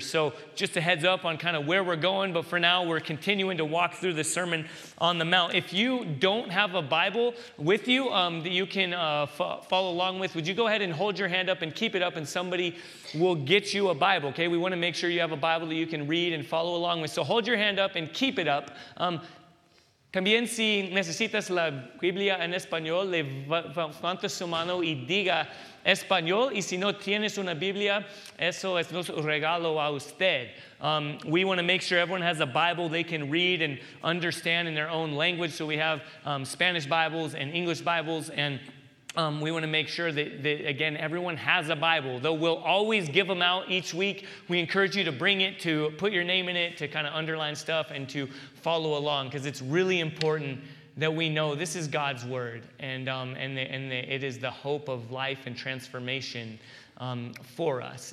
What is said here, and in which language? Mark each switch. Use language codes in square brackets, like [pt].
[en] So just a heads up on kind of where we're going, but for now, we're continuing to walk through the Sermon on the Mount. If you don't have a Bible with you that you can follow along with, would you go ahead and hold your hand up and keep it up, and somebody will get you a Bible, okay? We want to make sure you have a Bible that you can read and follow along with. So hold your hand up and keep it up. [es] También si necesitas la Biblia en español, levanta su mano y diga español, y si no tienes una Biblia, eso es un regalo a usted. [en] We want to make sure everyone has a Bible they can read and understand in their own language. So we have Spanish Bibles and English Bibles, and we want to make sure that, again, everyone has a Bible. Though we'll always give them out each week, we encourage you to bring it, to put your name in it, to kind of underline stuff, and to follow along, because it's really important that we know this is God's Word, and it is the hope of life and transformation for us.